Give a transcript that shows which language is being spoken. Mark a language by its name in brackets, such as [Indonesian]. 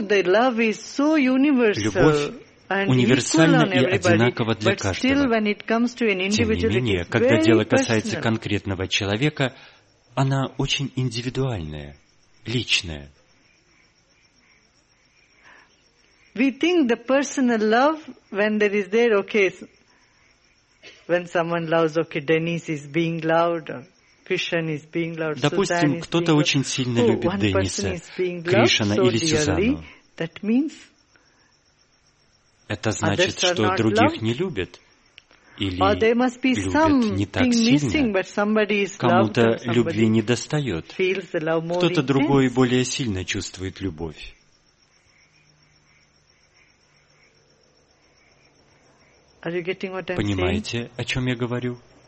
[Russian] Любовь универсальна и одинакова для каждого. Тем не менее, когда дело касается конкретного человека, она очень индивидуальная, личная. [English] We think the personal love when there is there, okay. When someone loves, okay, Dennis is being loved, Krishan is being loved. [Russian] Допустим, кто-то очень сильно любит Денниса, Кришана или Сюзанну. [English] That means. [Russian] Это значит, что других не любят. Или [English] there must be something missing, but somebody is loved. [Russian] Кому-то любви недостает. Кто-то другой более сильно чувствует любовь. [English] Are you getting what I'm [Russian] Понимаете, [English] saying? [Russian] О чем я говорю?